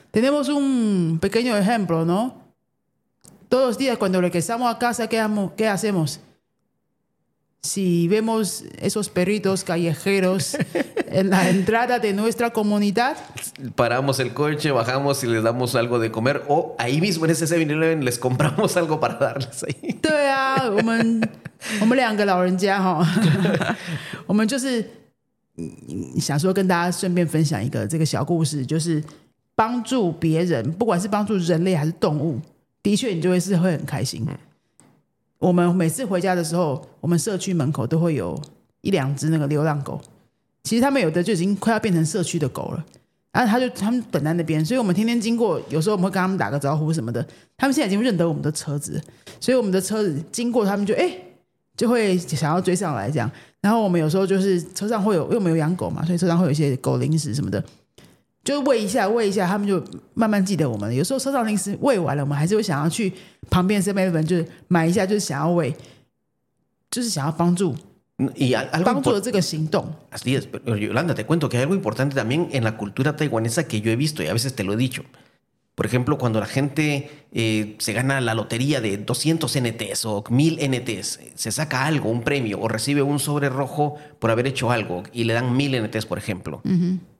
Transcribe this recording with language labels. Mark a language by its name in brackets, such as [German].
[Spanish] Tenemos un pequeño ejemplo, ¿no? Todos los días cuando regresamos a casa, ¿qué hacemos? Si vemos esos perritos callejeros en la entrada de nuestra comunidad. Paramos el coche, bajamos y les damos algo de comer. O ahí mismo en ese 7-Eleven les compramos algo para darles ahí. [Chinese] 对啊, 我们两个老人家, 我们就是想说跟大家顺便分享一个这个小故事，就是帮助别人，不管是帮助人类还是动物，的确你就会是会很开心。我们每次回家的时候，我们社区门口都会有一两只那个流浪狗，其实他们有的就已经快要变成社区的狗了，然后他们等在那边，所以我们天天经过，有时候我们会跟他们打个招呼什么的，他们现在已经认得我们的车子，所以我们的车子经过他们就就会想要追上来这样。然后我们有时候就是车上会有，因为我们有养狗嘛，所以车上会有一些狗零食什么的，就喂一下喂一下，他们就慢慢记得我们。有时候车上零食喂完了，我们还是会想要去旁边 7-Eleven 就是买一下，就是想要喂，就是想要帮助，帮助这个行动。 [Spanish] Así es, Yolanda, te cuento que hay algo importante también en la cultura taiwanesa que yo he visto y a veces te lo he dicho. Por ejemplo, cuando la gente se gana la lotería de 200 NTs o 1000 NTs, se saca algo, un premio, o recibe un sobre rojo por haber hecho algo y le dan 1000 NTs, por ejemplo. Uh-huh.